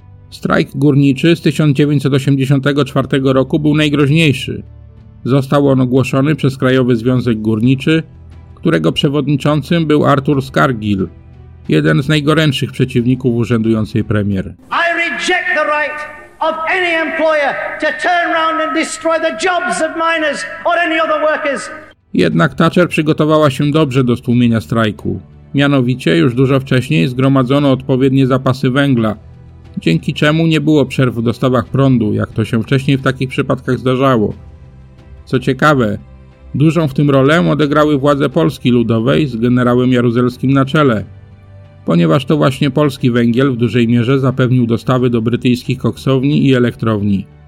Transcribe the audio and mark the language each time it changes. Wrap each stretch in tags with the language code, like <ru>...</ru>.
<pl>Strajk górniczy z 1984 roku był najgroźniejszy. Został on ogłoszony przez Krajowy Związek Górniczy, którego przewodniczącym był Arthur Scargill, jeden z najgorętszych przeciwników urzędującej premier.</pl> <en>I reject the right of any employer to turn around and destroy the jobs of miners or any other workers.</en> <pl>Jednak Thatcher przygotowała się dobrze do stłumienia strajku. Mianowicie już dużo wcześniej zgromadzono odpowiednie zapasy węgla, dzięki czemu nie było przerw w dostawach prądu, jak to się wcześniej w takich przypadkach zdarzało. Co ciekawe, dużą w tym rolę odegrały władze Polski Ludowej z generałem Jaruzelskim na czele, ponieważ to właśnie polski węgiel w dużej mierze zapewnił dostawy do brytyjskich koksowni i elektrowni.</pl>